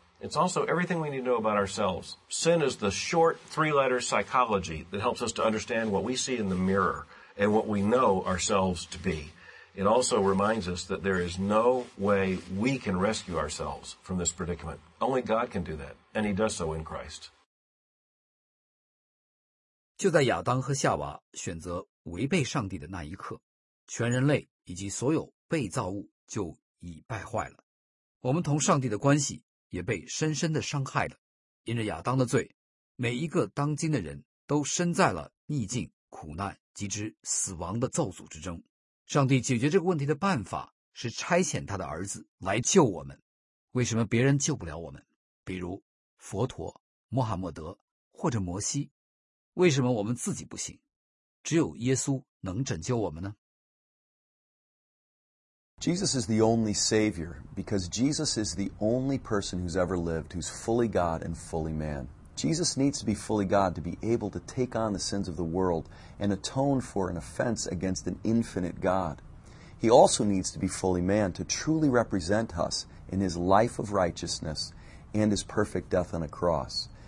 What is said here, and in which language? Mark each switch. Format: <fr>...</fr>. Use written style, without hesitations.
<en>It's also everything we need to know about ourselves. Sin is the short three-letter psychology that helps us to understand what we see in the mirror and what we know ourselves to be. It also reminds us that there is no way we can rescue ourselves from this predicament. Only God can do that, and He does so in Christ.</en> <zh>就在亚当和夏娃选择违背上帝的那一刻，全人类以及所有被造物就已败坏了。我们同上帝的关系也被深深的伤害了。因着亚当的罪，每一个当今的人都身在了逆境、苦难及之死亡的咒诅之中。上帝解决这个问题的办法是差遣他的儿子来救我们。为什么别人救不了我们？比如佛陀、穆罕默德或者摩西。为什么我们自己不行？只有耶稣能拯救我们呢？</zh> <en>Jesus is the only Savior because Jesus is the only person who's ever lived who's fully God and fully man. Jesus needs to be fully God to be able to take on the sins of the world and atone for an offense against an infinite God. He also needs to be fully man to truly represent us in His life of righteousness and His perfect death on a cross.</en>